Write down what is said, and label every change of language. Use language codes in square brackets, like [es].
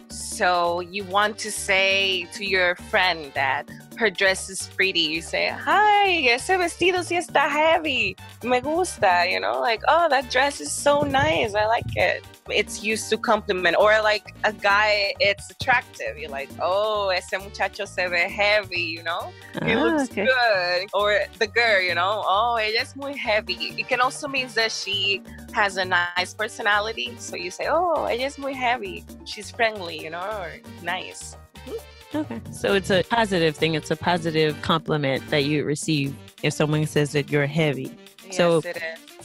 [en] So you want to say to your friend that her dress is pretty, you say, hi, [es] ese vestido sí está heavy, me gusta, [en] you know, like, oh, that dress is so nice, I like it. It's used to compliment. Or like a guy, it's attractive, you're like, oh, [es] ese muchacho se ve heavy, [en] you know, he looks good. Or the girl, you know, oh, [es] ella es muy heavy. [en] It can also mean that she has a nice personality, so you say, oh, [es] ella es muy heavy, [en] she's friendly, you know, or nice. Okay. So it's a positive thing. It's a positive compliment that you receive if someone says that you're heavy. Yes, so it is.